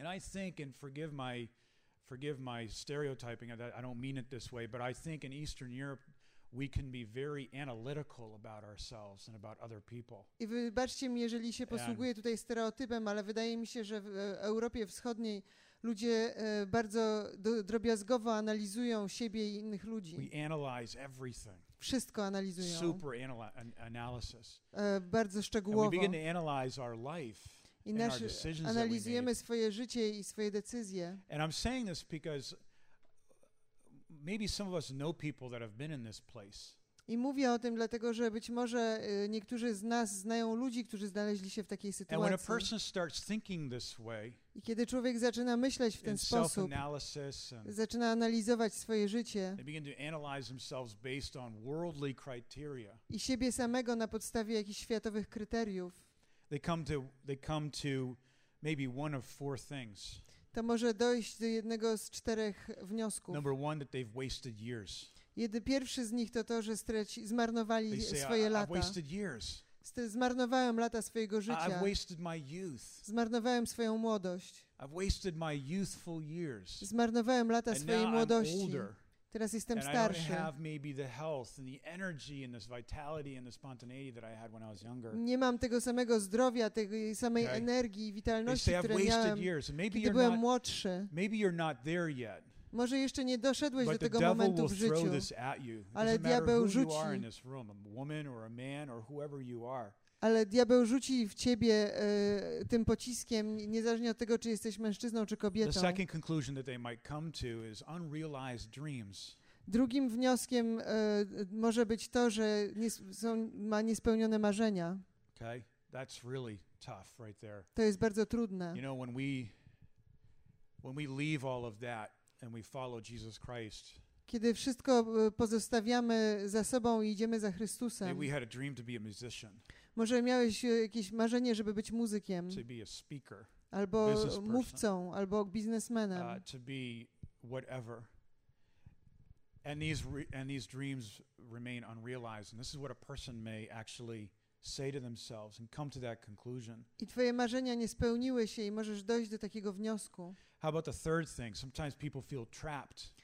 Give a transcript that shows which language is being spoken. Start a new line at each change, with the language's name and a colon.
English: And I think, and forgive my stereotyping, I don't mean it this way, but I think in Eastern Europe we can be very analytical about ourselves and about other people.
Polish: I wybaczcie mi, jeżeli się posługuję tutaj stereotypem, ale wydaje mi się, że w Europie Wschodniej ludzie bardzo drobiazgowo analizują siebie i innych ludzi.
English: We analyze everything.
Polish: Wszystko analizują.
English: Super analysis.
Polish: Bardzo szczegółowo.
English: And we begin to analyze our life
Polish: i
English: and our decisions that we
Polish: analizujemy swoje życie i swoje decyzje.
English: And I'm saying this because maybe some of us know people that have been in this place.
Polish: I mówię o tym dlatego, że być może niektórzy z nas znają ludzi, którzy znaleźli się w takiej sytuacji.
English: And when a person starts thinking this way,
Polish: i kiedy człowiek zaczyna myśleć w ten sposób, zaczyna analizować swoje życie,
English: they begin to analyze themselves based on worldly criteria.
Polish: I siebie samego na podstawie jakichś światowych kryteriów.
English: They come to maybe one of four things.
Polish: To może dojść do jednego z czterech wniosków.
English: Number one, that they've wasted years.
Polish: Pierwszy z nich to, że zmarnowali swoje lata.
English: I've wasted years.
Polish: Zmarnowałem lata swojego życia.
English: I've wasted my youth.
Polish: Zmarnowałem swoją młodość.
English: I've wasted my youthful years.
Polish: Zmarnowałem lata
English: and
Polish: swojej
English: now
Polish: młodości.
English: I'm older.
Polish: Teraz jestem starszy.
English: And I don't have maybe the health and the energy and this vitality and the spontaneity that I had when I was younger.
Polish: Nie mam tego samego zdrowia, tej samej energii i witalności, które miałem, kiedy byłem młodszy.
English: Maybe you're not there yet.
Polish: Może jeszcze nie doszedłeś do tego momentu w życiu.
English: But the devil will throw this at you.
Polish: Ale diabeł rzuci.
English: It doesn't matter who you are in this room, a woman or a man or whoever you are.
Polish: Ale diabeł rzuci w ciebie tym pociskiem, niezależnie od tego, czy jesteś mężczyzną, czy kobietą.
English: The second conclusion that they might come to is unrealized dreams.
Polish: Drugim wnioskiem może być to, że ma niespełnione marzenia.
English: Okay, that's really tough right there.
Polish: To jest bardzo trudne.
English: You know, when we leave all of that and we follow Jesus Christ,
Polish: kiedy wszystko pozostawiamy za sobą i idziemy za Chrystusem.
English: Maybe we had a dream to be a musician.
Polish: Może miałeś jakieś marzenie, żeby być muzykiem,
English: to be a speaker,
Polish: albo mówcą, albo biznesmenem.
English: To be whatever. And these dreams remain unrealized, and this is what a person may actually say to themselves and come to that conclusion.
Polish: I twoje marzenia nie spełniły się i możesz dojść do takiego wniosku.
English: How about the third thing? Sometimes people feel trapped.